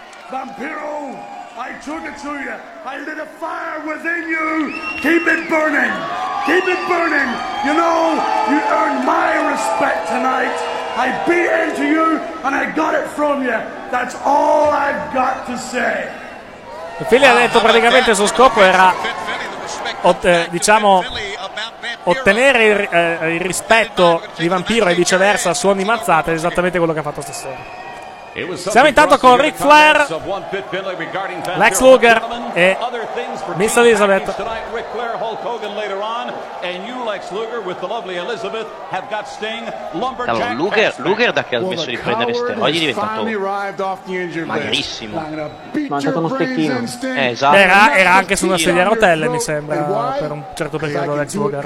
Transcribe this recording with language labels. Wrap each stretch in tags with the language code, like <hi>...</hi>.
<en>Vampiro, I took it to you. I lit a fire within you. Keep it burning. Keep it burning. You know, you earned my respect tonight. I beat into you and I got it from you. That's all I've got to say.</en> <it>Il Philly ha detto praticamente il suo scopo era ottenere il rispetto di Vampiro e viceversa su ogni mazzata, è esattamente quello che ha fatto stasera. Siamo intanto con Ric Flair, Lex Luger e Miss Elizabeth.</it> <en>Ric Flair, Hulk Hogan later on, and you, Lex Luger, with the lovely Elizabeth, have got Sting, Lumberjack.</en> <it>Allora, Luger da che ha smesso di prendere steroidi è diventato magrissimo. Mangiato uno stecchino. Esatto. Era anche su una sedia a rotelle, mi sembra, per un certo periodo, Lex Luger.</it>